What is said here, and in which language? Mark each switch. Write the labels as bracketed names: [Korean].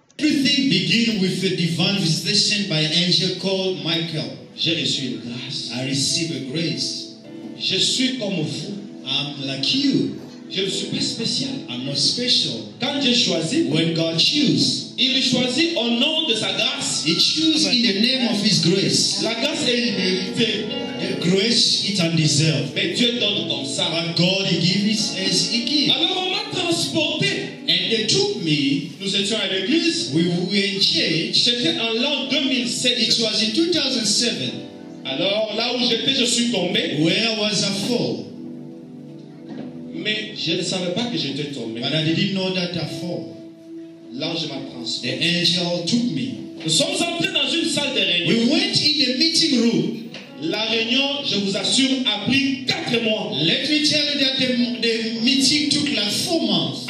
[English] Everything begins with a divine visitation by an angel called Michael. [French] Je reçois une grâce. [English] I receive a grace. [French] Je suis comme vous. [English] I'm like you. [French] Je ne suis pas spécial. [English] I'm not special. [French] Quand je choisis, [English] when God choose, [French] il me choisit au nom de sa grâce. [English] He choose in the name of his grace. [French] La grâce est [English] the grace it undeserved. [French] Mais Dieu donne comme ça. [English] But God he gives as he gives. [French] Alors on m'a transporté. [English] And they took me. [French] Nous étions à l'église. [English] We were in church. [French] C'était en l'an 2007. [English] It was in 2007. [French] Alors là où j'étais, je suis tombé. [English] Where was I fall? [French] Mais je ne savais pas que j'étais tombé. [English] But I didn't know that I fall. [French] L'ange m'a transporté. [English] The angel took me. [French] Nous sommes entrés dans une salle de réunion. [English] We went in the meeting room. [French] La réunion, je vous assure, a pris 4 mois. [English] Let me tell you that the meeting took like 4 months.